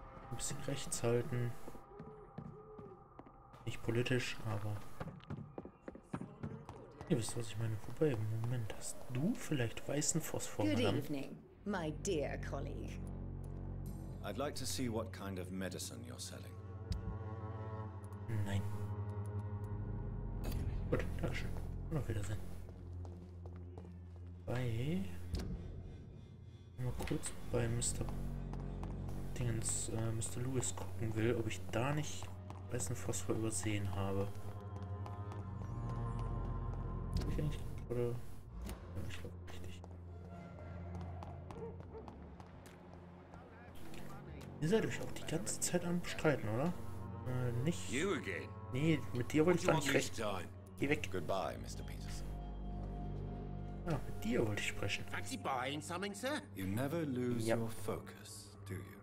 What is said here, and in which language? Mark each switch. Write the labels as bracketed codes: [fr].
[de] Ein bisschen rechts halten. Nicht politisch, aber... Ihr wisst, was ich meine. Wobei, Moment, hast du vielleicht weißen Phosphor? Guten Abend. [en] my dear colleague. I'd like to see what kind of medicine you're selling. [de] Nein. Gut, danke schön. Und auf Wiedersehen. Mal kurz bei Mr. Dingens, Mr. Lewis gucken will, ob ich da nicht weißen Phosphor übersehen habe. Habe ich eigentlich, oder? Ja, ich glaube richtig. Ihr seid euch auch die ganze Zeit am Streiten, oder? Nicht. Nee, mit dir wollte ich gar nicht recht. Geh weg. [en] Goodbye, Mr. Peterson. [de] Ja, mit dir wollte ich sprechen. [en] Fancy buying something, sir? You never lose your focus, do you?